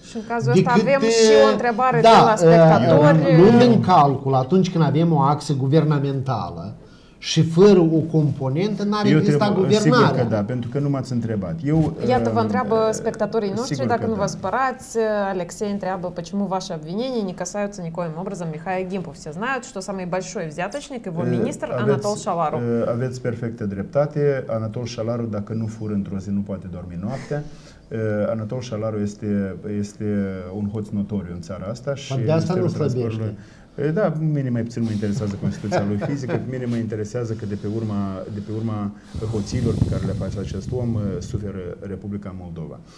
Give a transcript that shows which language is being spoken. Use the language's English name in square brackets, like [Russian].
[Romanian] Și în cazul ăsta avem și o întrebare de la spectatori. Luând în calcul, atunci când avem o axă guvernamentală și fără o componentă, n-ar exista guvernarea. Sigur că da, pentru că nu m-ați întrebat. Eu, iată, vă întreabă spectatorii noștri, dacă nu vă supărați. Alexei întreabă, [Russian] почему ваши обвинения не касаются никоим образом Михаила Гимпу? Все знают, что самый большой взяточник, его министр Анатол Шалару. [Romanian] Aveți perfectă dreptate. Anatol Shalaru, dacă nu fură într-o zi, nu poate dormi noaptea. Anatol Shalaru este un hoț notoriu în țara asta. Și de asta nu slăbește. Da, mine mai puțin mă interesează Constituția lui fizică, mine mă interesează că de pe urma hoților pe care le face acest om, suferă Republica Moldova.